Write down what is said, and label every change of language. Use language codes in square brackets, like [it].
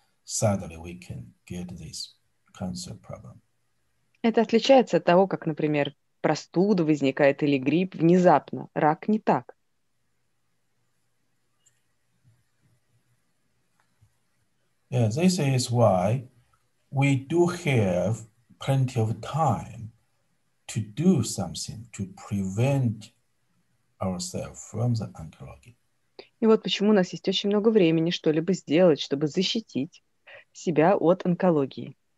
[en] Suddenly we can get this cancer problem. [ru] Это отличается от того, как, например, простуда возникает или грипп внезапно. Рак не так. [en] Yeah, this is why we do have plenty of time to do something to prevent ourselves from the ontology. [ru] И вот почему у нас есть очень много времени что-либо сделать, чтобы защитить себя от онкологии.